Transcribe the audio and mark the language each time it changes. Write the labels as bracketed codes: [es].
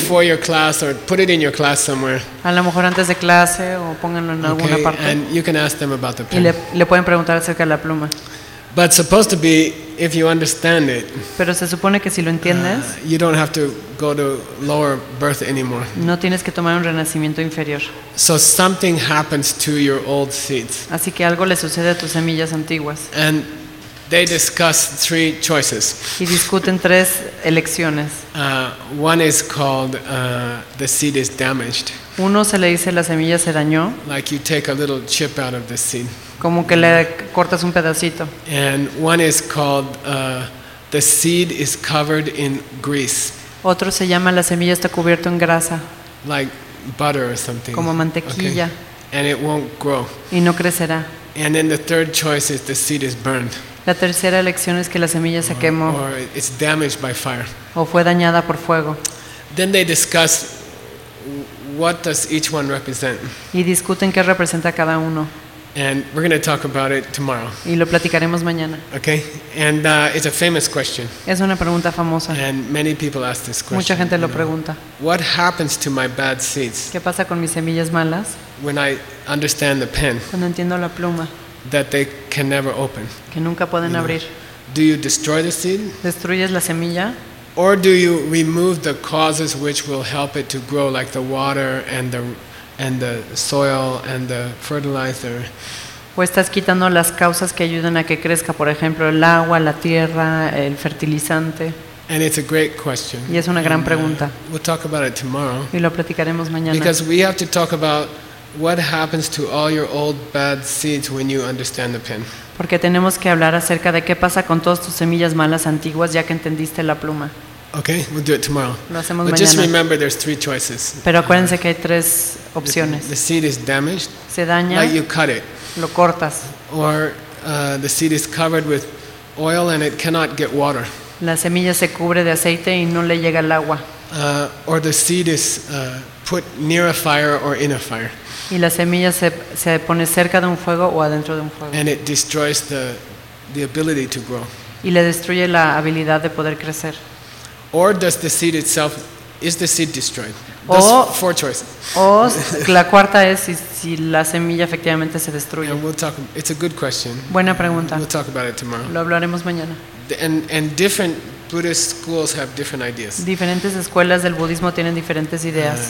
[en] Before your class or put it in your class somewhere. [es] A lo mejor antes de clase o pónganlo en [en] okay, [es] alguna parte. [en] And you can ask them about the pen. [es] Y le pueden preguntar acerca de la pluma. [en] But supposed to be, if you understand it, [es] pero se supone que si lo entiendes, [en] you don't have to go to lower birth anymore. [es] No tienes que tomar un renacimiento inferior. [en] So something happens to your old seeds. [es] Así que algo le sucede a tus semillas antiguas. [en] And they discuss three choices. [es] Y discuten tres elecciones. [en] One is called the seed is damaged. [es] Uno se le dice la semilla se dañó. [en] Like you take a little chip out of the seed. [es] Como que le cortas un pedacito. [en] And one is called the seed is covered in grease. [es] Otro se llama la semilla está cubierta en grasa. [en] Like butter or something. [es] Como mantequilla. Okay. [en] And it won't grow. [es] Y no crecerá. [en] And then the third choice is the seed is burned. [es] La tercera elección es que la semilla se quemó. [en] Or it's damaged by fire. [es] O fue dañada por fuego. [en] Then they discuss what does each one represent. [es] Y discuten qué representa cada uno. [en] And we're going to talk about it tomorrow. [es] Y lo platicaremos mañana. [en] Okay? And it's a famous question. [es] Es una pregunta famosa. [en] And many people ask this question. [es] Mucha gente lo pregunta. [en] What happens to my bad seeds? [es] ¿Qué pasa con mis semillas malas? [en] When I understand the pen. [es] Cuando entiendo la pluma. [en] That they can never open. [es] Que nunca pueden abrir. [en] Do you destroy the seed? [es] ¿Destruyes la semilla? [en] Or do you remove the causes which will help it to grow, like the water and the soil and the fertilizer? [es] ¿O estás quitando las causas que ayudan a que crezca, por ejemplo, el agua, la tierra, el fertilizante? [en] And it's a great question. [es] Y es una gran pregunta. [en] We'll talk about it tomorrow. [es] Y lo platicaremos mañana. [en] Because we have to talk about what happens to all your old bad seeds when you understand the pen. [es] Porque tenemos que hablar acerca de qué pasa con todas tus semillas malas antiguas ya que entendiste la pluma. [en] Okay, we'll do it tomorrow. [es] Lo hacemos mañana. [en] But just remember there's three choices. [es] Pero acuérdense que hay tres opciones. [en] The seed is damaged. [es] Se daña. [en] Like you cut it. [es] Lo cortas. [en] Or the seed is covered with oil and it cannot get water. [es] La semilla se cubre de aceite y no le llega el agua. [en] Or the seed is put near a fire or in a fire. [es] Y la semilla se pone cerca de un fuego o adentro de un fuego. [en] And it destroys the ability to grow. [es] Y le destruye la habilidad de poder crecer. [en] Or does the seed itself, is the seed destroyed? Those four choices. [es] O la cuarta es si la semilla efectivamente se destruye. [en] And we'll talk, it's a good question. [es] Buena pregunta. [en] We'll talk about it tomorrow. [es] Lo hablaremos mañana. [en] And different Buddhist schools have different ideas. [es] Diferentes escuelas del budismo tienen diferentes ideas.